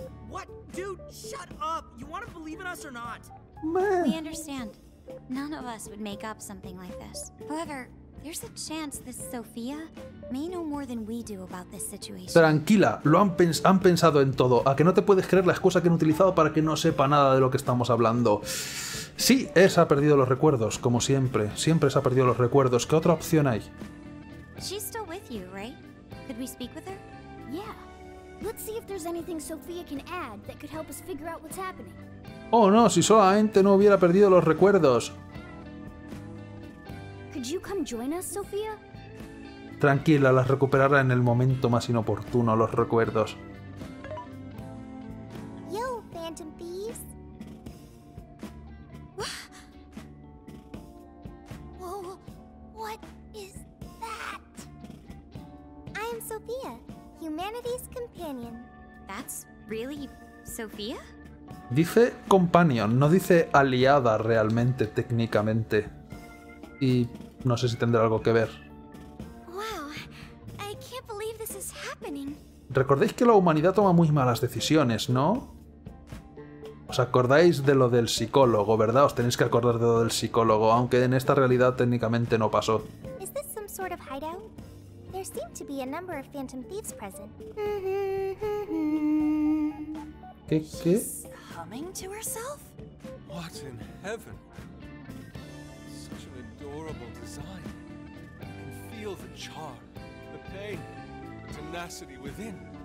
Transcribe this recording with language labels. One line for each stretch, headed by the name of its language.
English: What? Dude, shut up. You want to believe in us or not? Man. We understand. None of us would make up something like this. However, there's a chance this Sophia may know more than we do about this situation.
Spanish: Tranquila, lo han pensado en todo. A que no te puedes creer la excusa que han utilizado para que no sepa nada de lo que estamos hablando. Sí, esa ha perdido los recuerdos, como siempre. Siempre se ha perdido los recuerdos. ¿Qué otra opción hay?
English: She's still with you, right? Could we speak with her? Yeah. Let's see if there's anything Sophia can add that could help us figure out what's happening.
Spanish: Oh no, si solamente no hubiera perdido los recuerdos.
English: Could you come join us, Sophia?
Spanish: Tranquila, las recuperará en el momento más inoportuno, los recuerdos.
English: Yo, Phantom Thieves. Whoa, what is that? I am Sophia, humanity's companion. That's really Sophia?
Spanish: Dice companion, no dice aliada realmente, técnicamente. Y no sé si tendrá algo que ver.
English: Wow, I can't believe this is happening.
Spanish: Recordéis que la humanidad toma muy malas decisiones, ¿no? Os acordáis de lo del psicólogo, ¿verdad? Os tenéis que acordar de lo del psicólogo, aunque en esta realidad técnicamente no pasó. ¿Es esto algún tipo de hideout?
English: There seem to be a number of phantom thieves present.
Spanish: ¿Qué? ¿Qué?
English: ¿Humming to herself? What in heaven? Adorable design. I can feel the charm, the pain, the tenacity within.